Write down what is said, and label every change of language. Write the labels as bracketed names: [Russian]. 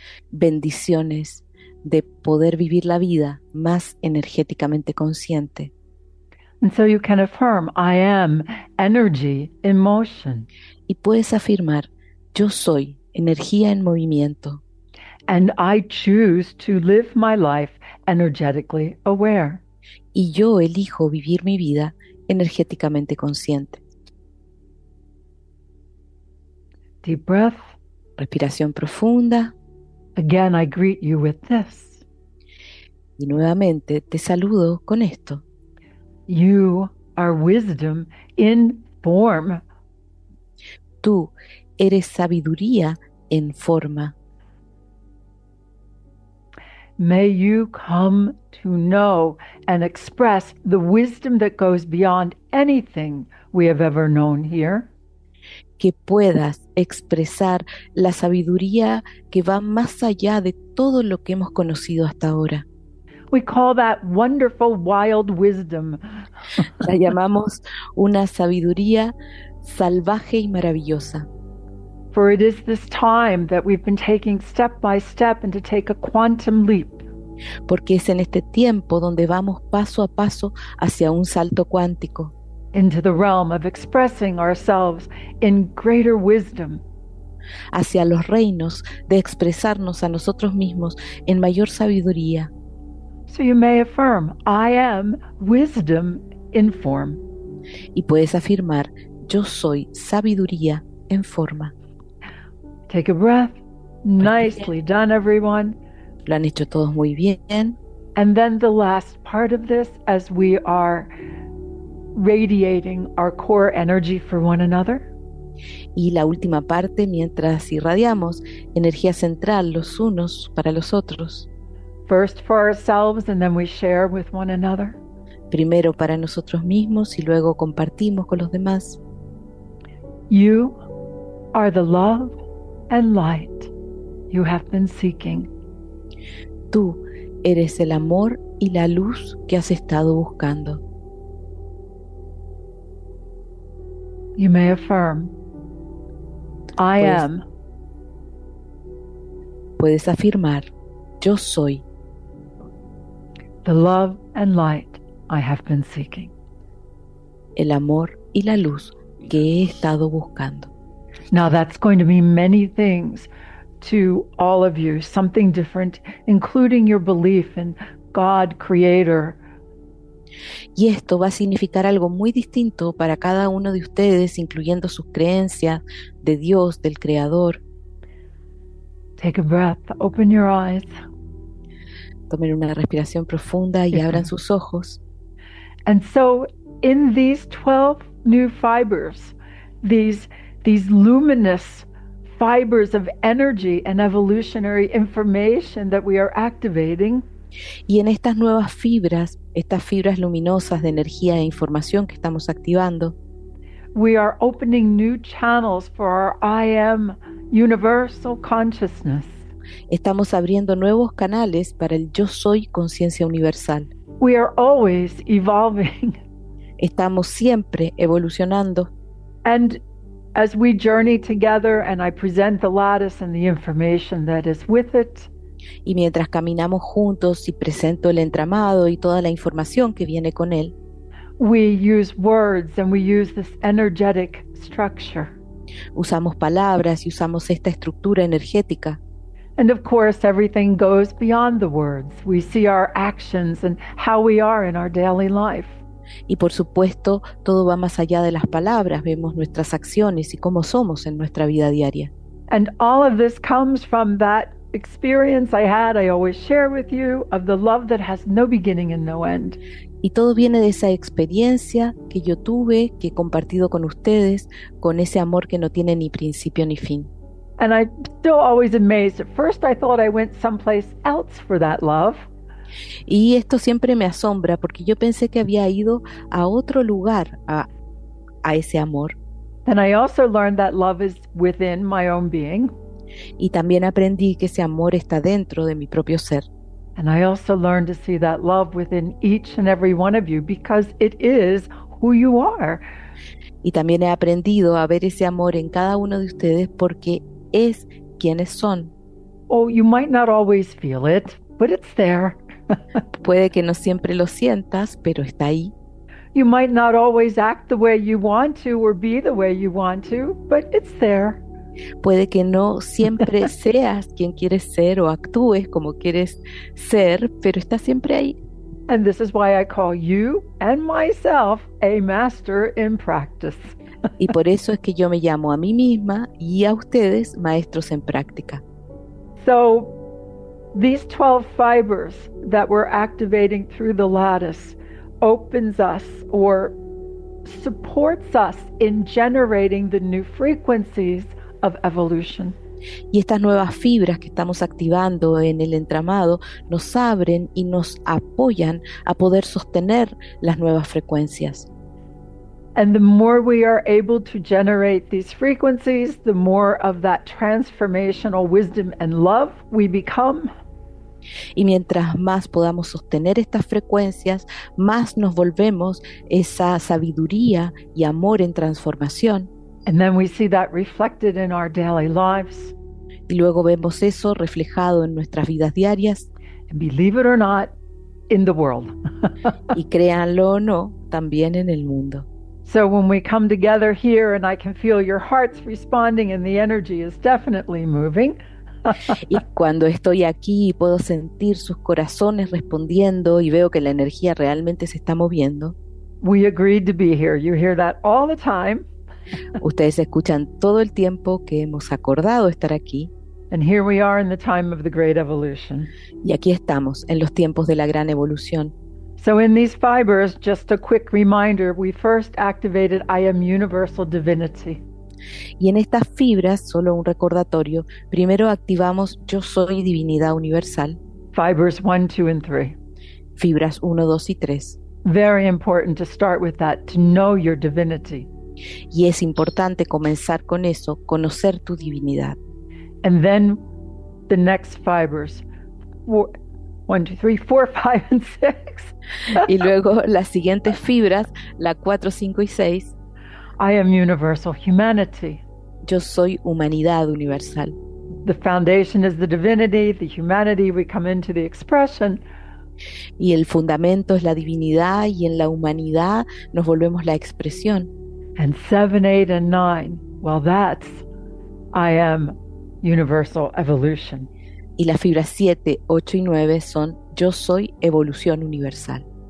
[Spanish] Bendiciones de poder vivir la vida más energéticamente consciente. [English] And so you can affirm, I am energy in motion. [Spanish] Y puedes afirmar, yo soy energía en movimiento. [English] And I choose to live my life energetically aware. [Spanish] Y yo elijo vivir mi vida energéticamente consciente. [English] Deep breath. [Spanish] Respiración profunda. [English] Again, I greet you with this. [Spanish] Y nuevamente te saludo con esto. [English] You are wisdom in form. [Spanish] Tú eres sabiduría en forma. [English] May you come to know and express the wisdom that goes beyond anything we have ever known here. [Spanish] Que puedas expresar la sabiduría que va más allá de todo lo que hemos conocido hasta ahora. [English] We call that wonderful wild wisdom. [Spanish] La llamamos una sabiduría salvaje y maravillosa. [English] For it is this time that we've been taking step by step and to take a quantum leap. [Spanish] porque es en este tiempo donde vamos paso a paso hacia un salto cuántico. [English] Into the realm of expressing ourselves in greater wisdom. [Spanish] Hacia los reinos de expresarnos a nosotros mismos en mayor sabiduría. [English] So you may affirm, I am wisdom in form. [Spanish] Y puedes afirmar, yo soy sabiduría en forma. [English] Take a breath. Nicely done, everyone. [Spanish] Lo han hecho todos muy bien. [English] And then the last part of this, as we are radiating our core energy for one another. [Spanish] Y la última parte, mientras irradiamos energía central los unos para los otros. [English] First for ourselves, and then we share with one another. [Spanish] Primero para nosotros mismos y luego compartimos con los demás. [English] You are the love and light you have been seeking. [Spanish] Tú eres el amor y la luz que has estado buscando. [English] You may affirm, I am. [Spanish] Puedes afirmar, yo soy. [English] The love and light I have been seeking. [Spanish] El amor y la luz que he estado buscando. [English] Now that's going to mean many things to all of you, something different, including your belief in God, Creator. [Spanish] Y esto va a significar algo muy distinto para cada uno de ustedes, incluyendo sus creencias de Dios, del Creador. [English] Take a breath, open your eyes. [Spanish] Tomen una respiración profunda y abran sus ojos. [English] And so, in these 12 new fibers, these luminous fibers of energy and evolutionary information that we are activating. [Spanish] Y en estas nuevas fibras, estas fibras luminosas de energía e información que estamos activando, [English] we are opening new channels for our I am universal consciousness. [Spanish] Estamos abriendo nuevos canales para el yo soy conciencia universal. [English] We are always evolving. [Spanish] Estamos siempre evolucionando. [English] And as we journey together and I present the lattice and the information that is with it. [Spanish] Y mientras caminamos juntos y presento el entramado y toda la información que viene con él. [English] We use words and we use this energetic structure. [Spanish] Usamos palabras y usamos esta estructura energética. [English] And of course everything goes beyond the words. We see our actions and how we are in our daily life. [Spanish] Y por supuesto, todo va más allá de las palabras. Vemos nuestras acciones y cómo somos en nuestra vida diaria. [English] And all of this comes from that experience I had, I always share with you, of the love that has no beginning and no end. [Spanish] Y todo viene de esa experiencia que yo tuve, que he compartido con ustedes, con ese amor que no tiene ni principio ni fin. [English] And I'm still always amazed. At first I thought I went someplace else for that love. [Spanish] Y esto siempre me asombra porque yo pensé que había ido a otro lugar a ese amor. [English] And I also learned that love is within my own being. [Spanish] Y también aprendí que ese amor está dentro de mi propio ser. [English] And I also learned to see that love within each and every one of you because it is who you are. [Spanish] Y también he aprendido a ver ese amor en cada uno de ustedes porque es quienes son. [English] Oh, you might not always feel it, but it's there. [Spanish] Puede que no siempre lo sientas, pero está ahí. [English] You might not always act the way you want to or be the way you want to, but it's there. [Spanish] Puede que no siempre seas quien quieres ser o actúes como quieres ser, pero está siempre ahí. [English] And this is why I call you and myself a master in practice. [Spanish] Y por eso es que yo me llamo a mí misma y a ustedes maestros en práctica. [English] So, these 12 fibers that we're activating through the lattice opens us or supports us in generating the new frequencies of evolution. [Spanish] Y estas nuevas fibras que estamos activando en el entramado nos abren y nos apoyan a poder sostener las nuevas frecuencias. [English] And the more we are able to generate these frequencies, the more of that transformational wisdom and love we become. [Spanish] Y mientras más podamos sostener estas frecuencias, más nos volvemos esa sabiduría y amor en transformación. [English] And then we see that reflected in our daily lives. [Spanish] Y luego vemos eso reflejado en nuestras vidas diarias. [English] believe it or not, in the world. [Spanish] Y créanlo o no, también en el mundo. [English] So when we come together here and I can feel your hearts responding and the energy is definitely moving. [Spanish] Y cuando estoy aquí y puedo sentir sus corazones respondiendo y veo que la energía realmente se está moviendo. [English] We agreed to be here. You hear that all the time. [Spanish] Ustedes escuchan todo el tiempo que hemos acordado estar aquí. [English] And here we are in the time of the great evolution. [Spanish] Y aquí estamos en los tiempos de la gran evolución. [English] So in these fibers, just a quick reminder, we first activated I am universal divinity. [Spanish] Y en estas fibras, solo un recordatorio, primero activamos Yo soy divinidad universal. [English] Fibers 1, 2 and 3. [Spanish] Fibras 1, 2 y 3. [English] Very important to start with that, to know your divinity. [Spanish] Y es importante comenzar con eso, conocer tu divinidad. [English] And then the next fibers, 1, 2, 3, 4, 5 and 6. [Spanish] Y luego las siguientes fibras, la 4, 5 y 6. [English] I am universal humanity. [Spanish] Yo soy humanidad universal. [English] The foundation is the divinity, the humanity we come into the expression. [Spanish] Y el fundamento es la divinidad y en la humanidad nos volvemos la expresión. [English] And 7, 8 and 9. Well, that's I am universal evolution. [Spanish] Y las fibras 7, 8 y 9 son Yo soy evolución universal.